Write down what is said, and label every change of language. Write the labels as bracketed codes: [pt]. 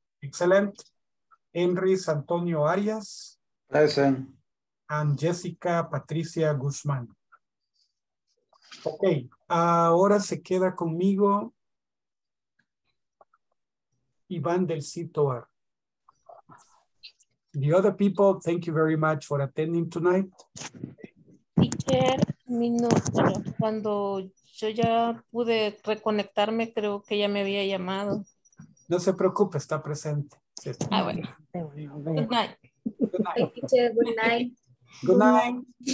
[en] Excellent. Enris Antonio Arias. Present. And Jessica Patricia Guzmán. [es] Okay, ahora se queda conmigo Iván del Citoar. [en] The other people, thank you very much for attending tonight. Teacher, [es] mi nuestro, cuando yo ya pude reconectarme, creo que ya me había llamado. No se preocupe, está presente. Sí, está. Ah, bueno. [en] Good night. Good night. Good night. Good night.